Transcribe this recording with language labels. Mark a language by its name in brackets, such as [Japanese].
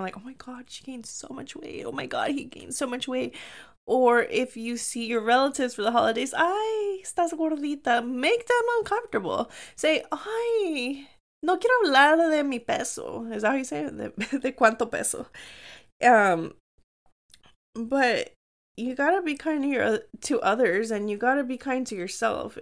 [English] Like, oh my God, she gained so much weight. Oh my God, he gained so much weight. Or if you see your relatives for the holidays, [Spanish] ay, estás gordita. [English] Make them uncomfortable. [Spanish] Say, ay, no quiero hablar de mi peso. [English] Is that how you say it? [Spanish] De cuánto peso. [English] But you gotta be kind to others, and you gotta be kind to yourself.